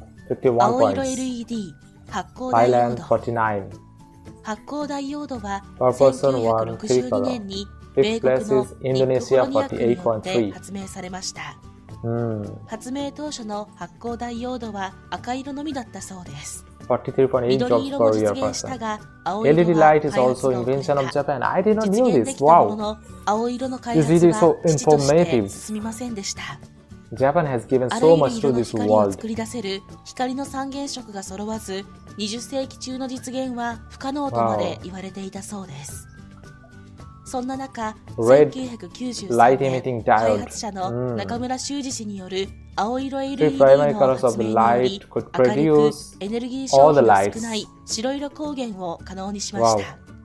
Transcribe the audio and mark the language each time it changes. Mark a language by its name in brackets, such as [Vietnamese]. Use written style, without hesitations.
[Japanese] 青色 LED 発光ダイオード、発光ダイオードは1962年に米国のニッココロニアクによって発明されました。発明当初の発光ダイオードは赤色のみだったそうです。緑色も実現したが、青色は開発の遅れた。実現できたものの青色の開発は遅々として進みませんでした。 [English] Japan has given so much to this world. [Japanese] 作り出せる光の三原色が揃わず、20世紀中の実現は不可能とまで言われていたそうです。そんな中、1993年、開発者の中村修二氏による青色 LED の発明により、明るくエネルギー消費が少ない白色光源を可能にしました。